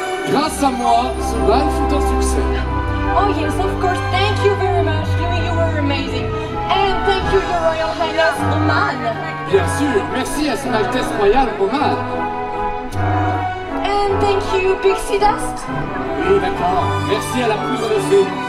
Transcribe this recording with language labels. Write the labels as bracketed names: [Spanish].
[French] Grâce à moi, ce bal fut un succès. [English] Oh yes, of course, thank you very much, Louis, you were amazing. And thank you, Your Royal Highness, Oman. [French] Bien sûr, merci à son Altesse Royale, Oman. [English] And thank you, Pixie Dust. [French] Oui, d'accord, merci à la poudre de fée.